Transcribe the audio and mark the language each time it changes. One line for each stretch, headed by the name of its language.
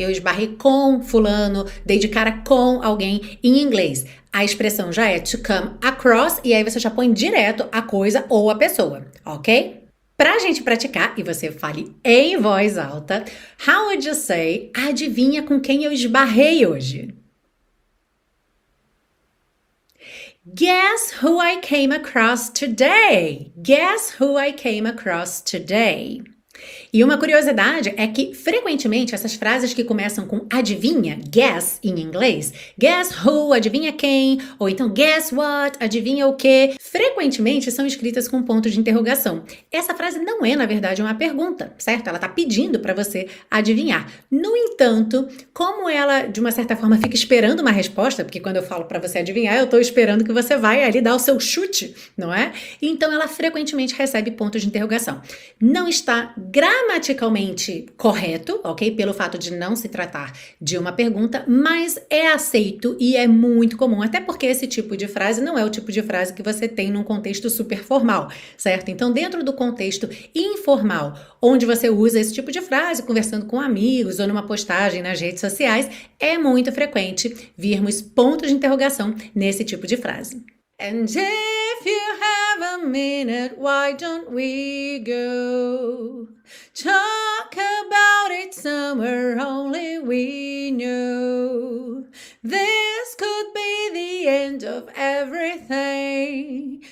Portuguese: Eu esbarrei com fulano, dei de cara com alguém em inglês. A expressão já é to come across, e aí você já põe direto a coisa ou a pessoa, ok? Pra gente praticar, e você fale em voz alta, how would you say, adivinha com quem eu esbarrei hoje?
English: Guess who I came across today? Guess who I came across today?
Portuguese: E uma curiosidade é que, frequentemente, essas frases que começam com adivinha, guess, em inglês, guess who, adivinha quem, ou então guess what, adivinha o quê, frequentemente são escritas com ponto de interrogação. Essa frase não é, na verdade, uma pergunta, certo? Ela está pedindo para você adivinhar. No entanto, como ela, de uma certa forma, fica esperando uma resposta, porque quando eu falo para você adivinhar, eu estou esperando que você vai ali dar o seu chute, não é? Então, ela frequentemente recebe ponto de interrogação. Não está gramaticalmente correto, ok? Pelo fato de não se tratar de uma pergunta, mas é aceito e é muito comum, até porque esse tipo de frase não é o tipo de frase que você tem num contexto super formal, certo? Então, dentro do contexto informal, onde você usa esse tipo de frase, conversando com amigos ou numa postagem nas redes sociais, é muito frequente virmos pontos de interrogação nesse tipo de frase.
English: And if you have a minute, why don't we go? Talk about it somewhere only we know. This could be the end of everything.